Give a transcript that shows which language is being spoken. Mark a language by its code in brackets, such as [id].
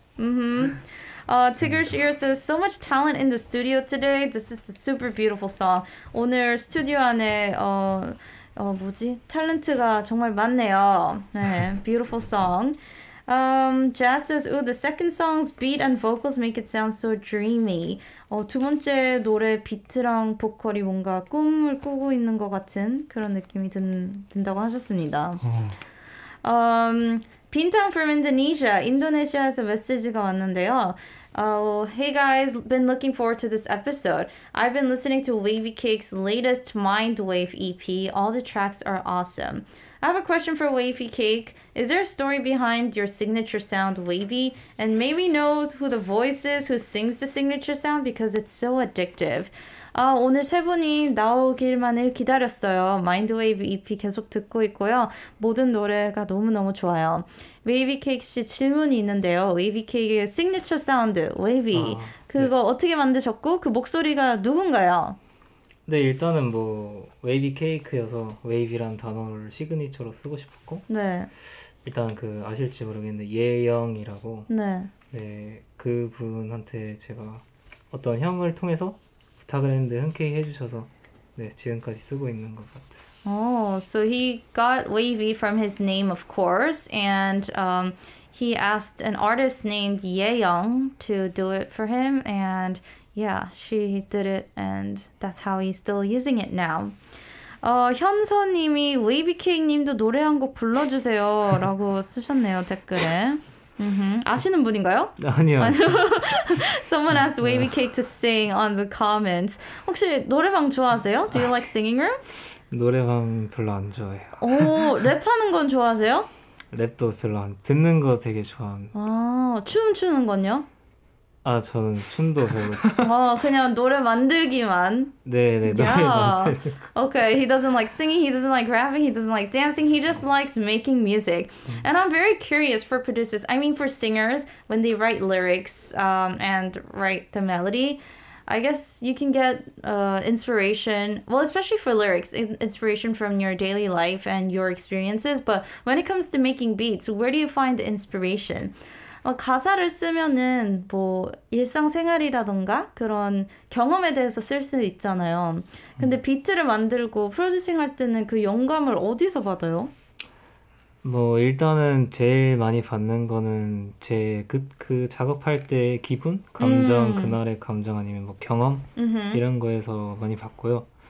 [en] Tigger Shear says, so much talent in the studio today. This is a super beautiful song. [ko] 오늘 스튜디오 안에 뭐지? 탤런트가 정말 많네요. 네, [en] beautiful song. Jazz says, ooh, the second song's beat and vocals make it sound so dreamy. [ko] 두 번째 노래 비트랑 보컬이 뭔가 꿈을 꾸고 있는 것 같은 그런 느낌이 든다고 하셨습니다. [en] Bintang from Indonesia. [ko] 인도네시아에서 메시지가 왔는데요. [en] Hey guys, been looking forward to this episode. I've been listening to Wavy Cake's latest Mindwave EP. All the tracks are awesome. I have a question for Wavy Cake. Is there a story behind your signature sound, Wavy? And may we know who the voice is who sings the signature sound because it's so addictive. [ko] 오늘 세 분이 나오길만을 기다렸어요. Mindwave EP 계속 듣고 있고요. 모든 노래가 너무너무 좋아요. Wavy Cake 씨 질문이 있는데요. Wavy Cake의 signature sound, Wavy. 그거 네. 어떻게 만드셨고 그 목소리가 누군가요? 네, 일단은 뭐 Wavy Cake여서 Wavy라는 단어를 시그니처로 쓰고 싶었고 네. 일단 그 아실지 모르겠는데 예영이라고 네. 네, 그분한테 제가 어떤 형을 통해서 부탁을 했는데 흔쾌히 해주셔서 네, 지금까지 쓰고 있는 것 같아요. [en] Oh, so he got Wavy from his name, of course, and he asked an artist named Ye Young to do it for him, and yeah, she did it, and that's how he's still using it now. [ko] 현서님이 Wavy Cake님도 노래 한 곡 불러주세요 라고 쓰셨네요, 댓글에. Mm-hmm. 아시는 분인가요? 아니요. [en] Someone asked Wavy Cake to sing on the comments. [ko] 혹시 노래방 좋아하세요? [en] Do you like singing room? [ko] 노래방 별로 안 좋아해요. 오, 랩하는 건 좋아하세요? 랩도 별로 안 듣는 거 되게 좋아합니다. 아, 춤추는 건요? 아, 저는 춤도 별로. 아, 그냥 노래 만들기만. 네, 네. 노래 만들. [en] Okay, he doesn't like singing, he doesn't like rapping, he doesn't like dancing. He just likes making music. And I'm very curious for producers. I mean for singers when they write lyrics and write the melody. I guess you can get inspiration, well, especially for lyrics, inspiration from your daily life and your experiences. But when it comes to making beats, where do you find the inspiration? [ko] 가사를 쓰면은 뭐 일상생활이라던가 그런 경험에 대해서 쓸 수 있잖아요. 근데 비트를 만들고 프로듀싱 할 때는 그 영감을 어디서 받아요? 뭐 일단은 제일 많이 받는 거는 제 그 작업할 때 기분, 감정, 그날의 감정 아니면 뭐 경험 이런 거에서 많이 받고요.